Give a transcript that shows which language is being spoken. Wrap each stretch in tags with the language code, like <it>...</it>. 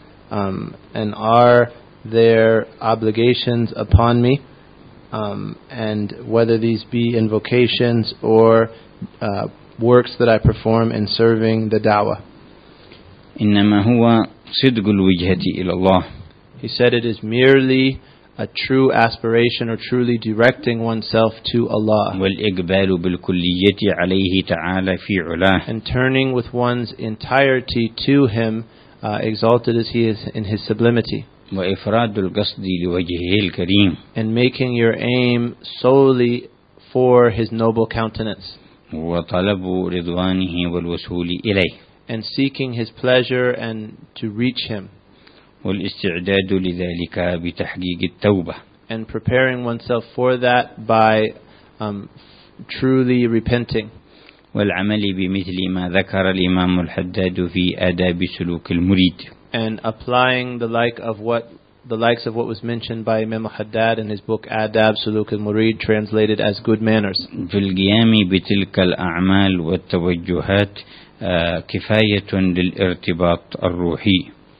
<en>And are there obligations upon me? And whether these be invocations or works that I perform in serving the da'wah.</en> <ar>إنما هو صدق الوجهة إلى الله.</ar> <en>He said it is merely a true aspiration or truly directing oneself to Allah.</en> <ar>والإقبال بالكلية عليه تعالى في علاه.</ar> <en>And turning with one's entirety to Him. Exalted as he is in his sublimity.</en> <ar>وإفراد القصد لوجهه الكريم</ar> <en>and making your aim solely for his noble countenance</en> <ar>وطلب رضوانه والوصول إليه</ar> <en>and seeking his pleasure and to reach him</en> <ar>والاستعداد لذلك بتحقيق التوبة</ar> <en>and preparing oneself for that by truly repenting</en> <ar>والعمل بمثل ما ذكر الإمام الحداد في آداب سلوك المريد</ar> <en>and applying the likes of what was mentioned by Imam al-Haddad in his book Adab Suluk al-Murid translated as good manners</en> <ar>في القيام بتلك الأعمال والتوجهات كفاية للارتباط الروحي</ar>